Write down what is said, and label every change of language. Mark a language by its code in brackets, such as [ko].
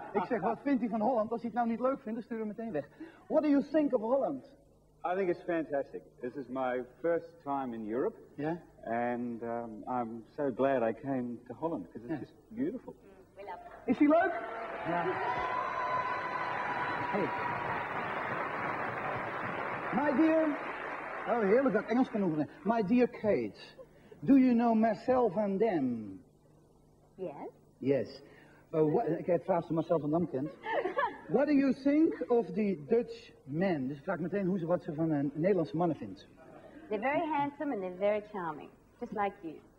[nl] Ik zeg, wat vindt hij van Holland? Als hij het nou niet leuk vindt, dan sturen we meteen weg. [en] What do you think of Holland? I think it's fantastic. This is my first time in Europe. Yeah? And I'm so glad I came to Holland, because it's just beautiful. We love him. Is he [nl] leuk? Ja. Yeah. Hey. [en] My dear... [nl] Oh, heerlijk dat ik Engels kan oefenen. [en] My dear Kate, do you know Marcel van Dam? Yes. Yes. [nl] Ik heb vraag ze Marcel van Dam kent. [en] What do you think of the Dutch men? [nl] Dus ik vraag meteen hoe ze wat ze van een Nederlandse mannen vindt. [en] They're very handsome and they're very charming, just like you.